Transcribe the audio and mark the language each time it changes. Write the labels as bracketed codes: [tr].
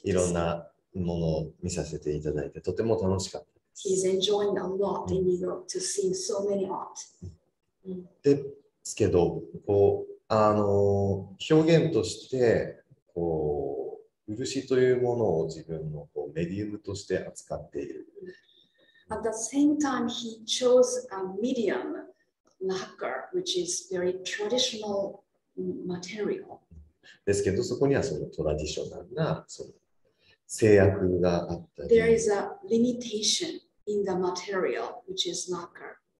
[ja] いろんな ものを見させていただいてとても楽しかったです。 [en] He's enjoying a lot in New York to see so many art. [ja] ですけど、こう、表現として、こう、漆というものを自分のこうメディウムとして扱っている。 [en] At the same time, he chose a medium lacquer, which is very traditional material. [ja] ですけど、そこにはそのトラディショナルな、その 制約があったり [en] There is a limitation in the material, which is lacquer.